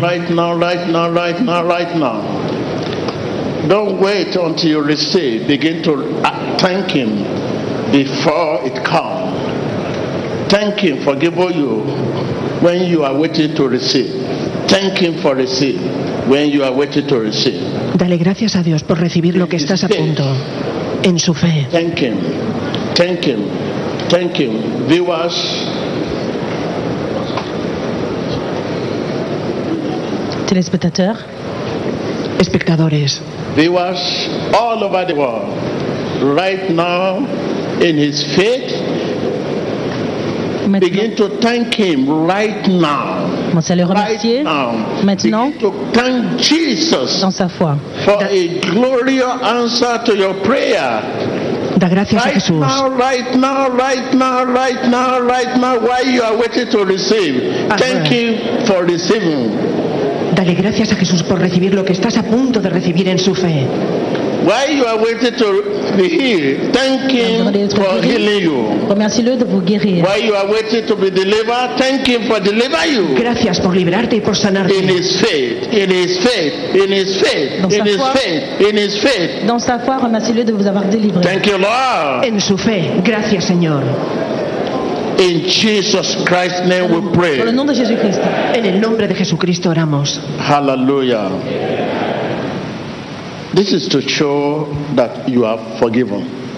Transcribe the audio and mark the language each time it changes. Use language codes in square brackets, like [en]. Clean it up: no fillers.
[en] Now, right now, right now, right now, right now. Don't wait until you receive. Begin to thank him before it comes. Thank him for giving you when you are waiting to receive. Thank him for receiving when you are waiting to receive. [es] Dale gracias a Dios por recibir lo que estás a punto en su fe. [en] Thank him. Thank him. Thank him. Viewers. [fr] Telespectateurs. [es] Espectadores. [en] Viewers all over the world. Right now, in his faith, [fr] maintenant, [en] begin to thank him right now. [fr] Commencez à le remercier. [en] Right now, [fr] maintenant, [en] begin to thank Jesus [fr] dans sa foi, [en] for a glorious answer to your prayer. [es] Da gracias [en] right [es] a Jesús. [en] Right now, right now, right now, right now, right now, while you are waiting to receive. [es] Ahora. [en] Thank him for receiving. [es] Dale gracias a Jesús por recibir lo que estás a punto de recibir en su fe. [en] While you are waiting to be healed, thank him for healing you. [fr] Remercie-le de vous guérir. [en] While you are waiting to be delivered, thank him for delivering you. [es] Gracias por liberarte y por sanarte. [en] In his faith, in his faith, in his faith, in his faith, in his faith. [fr] Dans sa foi, remercie-le de vous avoir délivré. [en] Thank you, Lord. [es] En su fe, gracias, Señor. [en] In Jesus Christ's name we pray. [es] Por el nombre de Jesucristo. En el nombre de Jesucristo oramos. [en] Hallelujah. This is to show that you are forgiven.